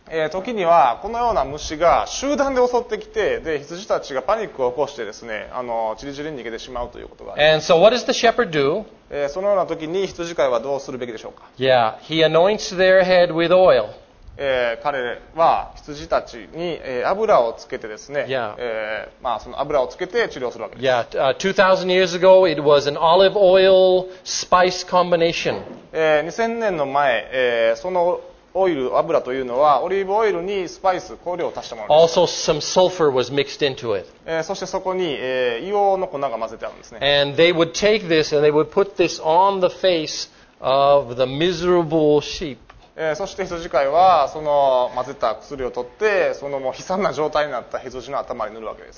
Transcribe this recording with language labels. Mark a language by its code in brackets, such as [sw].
[ja] 時にはこのような虫が集団で襲ってきて、で、羊たちがパニックを起こしてですね、チリチリに逃げてしまうということがあります。 [en] And so what does the shepherd do? [ja] そのような時に羊飼いはどうするべきでしょうか? [en] Yeah, he anoints their head with oil. [ja] 彼は羊たちに油をつけてですね、 [en] yeah. [ja] まあ、その油をつけて治療するわけです。 [en] Yeah, 2000 years ago, it was an olive oil spice combination. [ja] 2000年の前、そのオイル、油というのはオリーブオイルにスパイス、香料を足したものです。 [en] Also, some sulfur was mixed into it. [ja] そしてそこに、硫黄の粉が混ぜてあるんですね。 [en] And they would take this and they would put this on the face of the miserable sheep. [ja] そして羊飼いはその混ぜた薬を取って、そのもう悲惨な状態になった羊の頭に塗るわけです。